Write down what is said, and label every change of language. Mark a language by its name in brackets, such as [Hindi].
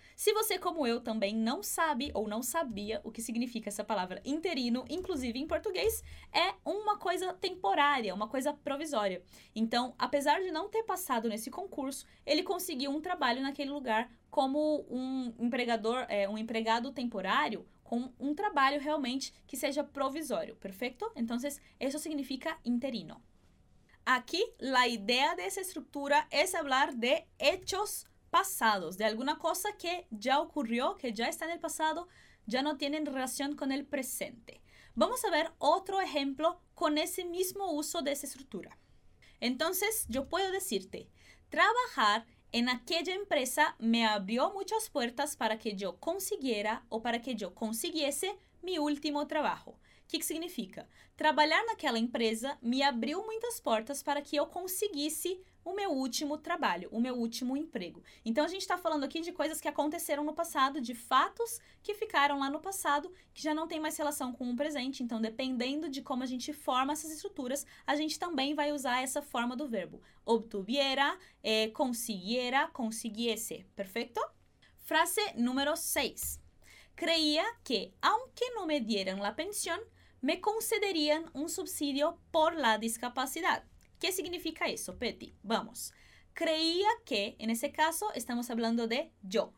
[Portuguese] Se você, como eu, também não sabe ou não sabia o que significa essa palavra interino, inclusive em português, é uma coisa temporária, uma coisa provisória. Então, apesar de não ter passado nesse concurso, ele conseguiu um trabalho naquele lugar como um empregado temporário, com um trabalho realmente que seja provisório, perfeito? Então, isso significa interino. [Spanish] Aqui, la idea de esa estructura es hablar de hechos pasados, de alguna cosa que ya ocurrió, que ya está en el pasado, ya no tienen relación con el presente. Vamos a ver otro ejemplo con ese mismo uso de esa estructura. Entonces, yo puedo decirte: trabajar en aquella empresa me abrió muchas puertas para que yo consiguiera o para que yo consiguiese mi último trabajo. [Portuguese] O que significa? Trabalhar naquela empresa me abriu muitas portas para que eu conseguisse o meu último trabalho, o meu último emprego. Então, a gente está falando aqui de coisas que aconteceram no passado, de fatos que ficaram lá no passado, que já não tem mais relação com o presente. Então, dependendo de como a gente forma essas estruturas, a gente também vai usar essa forma do verbo. [Spanish] Obtuviera, consiguiera, consiguiese. Perfeito? Frase número 6. Creía que, aunque no me dieran la pensión, me concederían un subsidio por la discapacidad. ¿Qué significa eso, Peti? Vamos. Creía que, en ese caso, estamos hablando de yo.